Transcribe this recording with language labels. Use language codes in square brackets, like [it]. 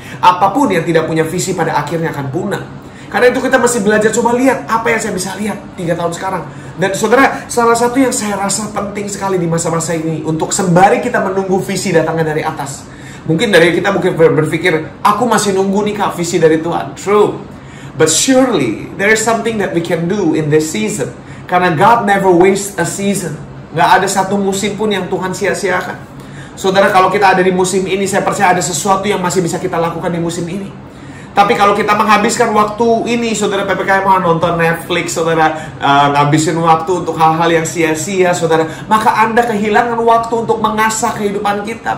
[id] Apapun yang tidak punya visi, pada akhirnya akan punah. Karena itu kita masih belajar, coba lihat apa yang saya bisa lihat 3 tahun sekarang. Dan saudara, salah satu yang saya rasa penting sekali di masa-masa ini, untuk sembari kita menunggu visi datangnya dari atas. Mungkin dari kita mungkin berpikir, aku masih nunggu nih kak visi dari Tuhan. [en] True. But surely, there is something that we can do in this season. [id] Karena [en] God never wastes a season. [id] Gak ada satu musim pun yang Tuhan sia-siakan. Saudara, kalau kita ada di musim ini, saya percaya ada sesuatu yang masih bisa kita lakukan di musim ini. Tapi kalau kita menghabiskan waktu ini, saudara, PPKM, nonton Netflix, saudara, ngabisin waktu untuk hal-hal yang sia-sia, saudara, maka Anda kehilangan waktu untuk mengasah kehidupan kita.